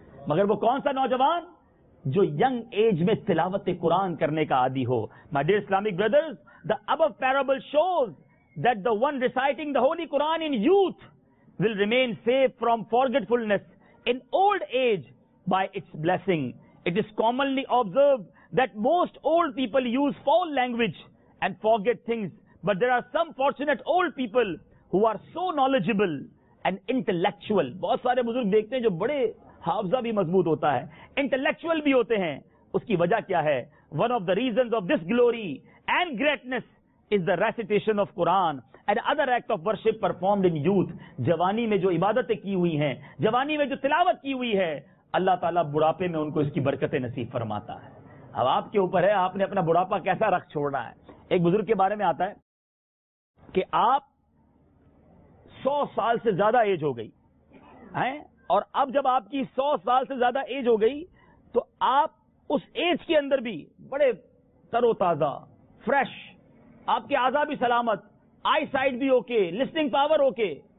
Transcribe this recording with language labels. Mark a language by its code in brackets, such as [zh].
[ur] مگر وہ کون سا نوجوان؟ جو ینگ ایج میں تلاوت قرآن کرنے کا عادی ہو. [en] My dear Islamic brothers, the above parable shows that the one reciting the holy Quran in youth will remain safe from forgetfulness in old age by its blessing. It is commonly observed that most old people use foul language and forget things, but there are some fortunate old people who are so knowledgeable and intellectual. [ur] بہت سارے بزرگ دیکھتے ہیں جو بڑے حافظہ بھی مضبوط ہوتا ہے, intellectual بھی ہوتے ہیں. اس کی وجہ کیا ہے؟ [en] One of the reasons of this glory and greatness is the recitation of Quran and other act of worship performed in youth. [ur] جوانی میں جو عبادتیں کی ہوئی ہیں, جوانی میں جو تلاوت کی ہوئی ہے, اللہ تعالیٰ بڑھاپے میں ان کو اس کی برکتیں نصیب فرماتا ہے. اب آپ کے اوپر ہے, آپ نے اپنا بڑھاپا کیسا رکھ چھوڑا ہے. ایک بزرگ کے بارے میں آتا ہے کہ آپ 100 سال سے زیادہ ایج ہو گئی ہیں, اور اب جب آپ کی 100 سال سے زیادہ ایج ہو گئی تو آپ اس ایج کے اندر بھی بڑے تر و تازہ, فریش, آپ کے اعضا بھی سلامت, آئی سائٹ بھی اوکے, لسننگ پاور اوکے.